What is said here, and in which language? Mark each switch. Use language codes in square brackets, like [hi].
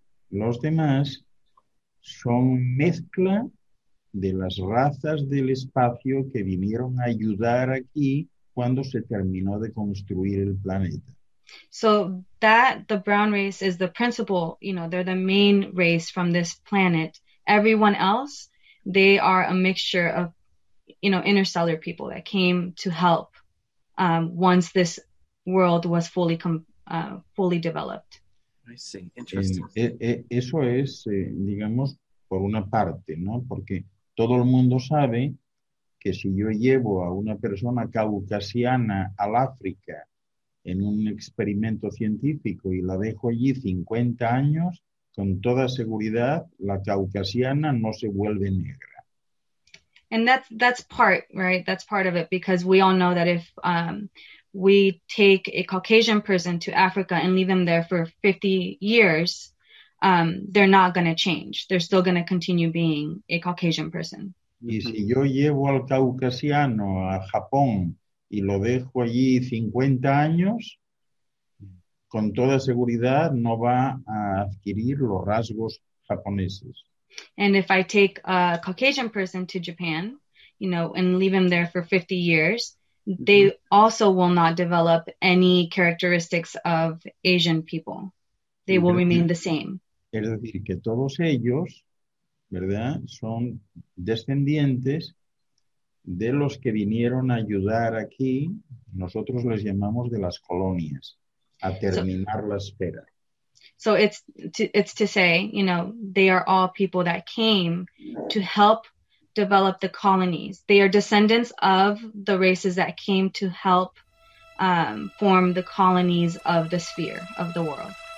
[es] Los demás son mezcla de las razas del espacio que vinieron a ayudar aquí cuando se terminó de construir el planeta. [en] So that the brown race is the principal, you know, they're the main race from this planet. Everyone else, they are a mixture of, you know, interstellar people that came to help once this world was fully fully developed. I see. Interesting. [es] Eso es, digamos, por una parte, ¿no? Porque todo el mundo sabe que si yo llevo a una persona caucasiana al África en un experimento científico y la dejo allí 50 años, con toda seguridad, la caucasiana no se vuelve negra. [en] And that's part, right? That's part of it, because we all know that if we take a Caucasian person to Africa and leave them there for 50 years, they're not going to change. They're still going to continue being a Caucasian person. [es] Y si yo llevo al caucasiano a Japón y lo dejo allí 50 años, con toda seguridad no va a adquirir los rasgos japoneses. [en] And if I take a Caucasian person to Japan, you know, and leave him there for 50 years, they also will not develop any characteristics of Asian people. They will remain the same. [es] Es decir, que todos ellos, ¿verdad?, son descendientes de los que vinieron a ayudar aquí, nosotros les llamamos de las colonias, a terminar la espera. [en] So it's to say, you know, they are all people that came to help develop the colonies. They are descendants of the races that came to help form the colonies of the sphere of the world.